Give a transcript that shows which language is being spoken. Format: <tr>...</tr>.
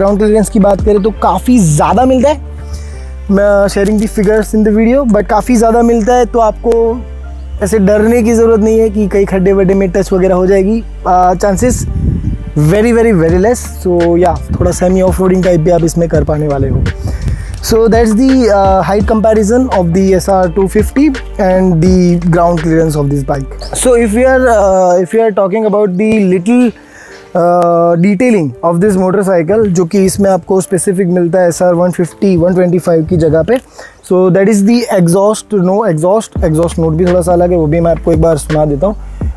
<hi>Ground clearance की बात करें तो काफ़ी ज़्यादा मिलता है, मैं</hi> <en>sharing the figures in the video,</en> <hi>but काफ़ी ज़्यादा मिलता है तो आपको ऐसे डरने की ज़रूरत नहीं है कि कई खड्डे वड्डे में टच वगैरह हो जाएगी,</hi> <en>Chances very very very less.</en> <hi>सो या थोड़ा सेमी ऑफ रोडिंग टाइप भी आप इसमें कर पाने वाले हो।</hi> <en>So that's the height comparison of the SR250 and the ground clearance of this bike. So if we are talking about the little detailing of this motorcycle</en> <hi>जो कि इसमें आपको स्पेसिफिक मिलता है SR 150 125 की जगह पे,</hi> <en>so that is the exhaust no exhaust exhaust note</en> <hi>भी थोड़ा सा अलग है, वो भी मैं आपको एक बार सुना देता हूँ.</hi>